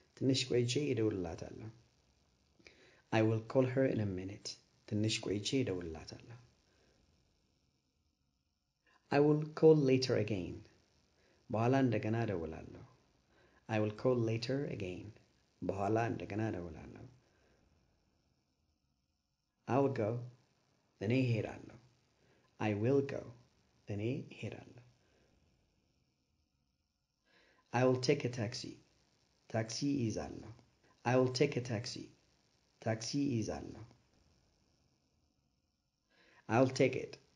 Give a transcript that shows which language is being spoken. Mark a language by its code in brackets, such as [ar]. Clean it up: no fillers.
[am] ትንሽ ቆይቼ እደውልላታለሁ። [en] I will call her in a minute. [am] ትንሽ ቆይቼ እደውልላታለሁ። [en] I will call later again. [am] በኋላ እንደገና እደውላለሁ። [en] I will call later again. [am] በኋላ እንደገና እደውላለሁ። [en] I'll go. [am] እኔ እሄዳለሁ። [en] I will go. [am] እኔ እሄዳለሁ። [en] I will take a taxi. [am] ታክሲ እይዛለሁ። [en] I will take a taxi. [am] ታክሲ እይዛለሁ። [en] I'll take it.